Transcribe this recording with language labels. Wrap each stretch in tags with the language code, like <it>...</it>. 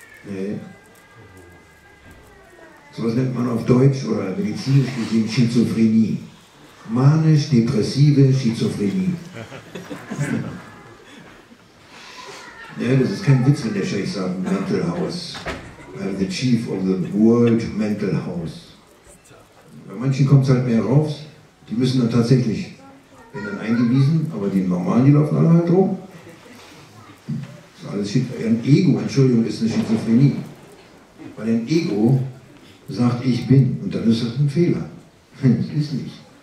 <de>Nee. So was nennt man auf Deutsch oder medizinisch gesehen Schizophrenie. Manisch-depressive Schizophrenie. Ja, das ist kein Witz, wenn der Scheich sagt, Mental House.</de> <en>I'm the chief of the world Mental House.</en> <de>Bei manchen kommt es halt mehr raus. Die müssen dann tatsächlich, werden dann eingewiesen, aber die normalen, die laufen alle halt rum. Ein Ego, Entschuldigung, ist eine Schizophrenie. Weil ein Ego sagt, ich bin, und dann ist das ein Fehler. Das ist nicht.</de>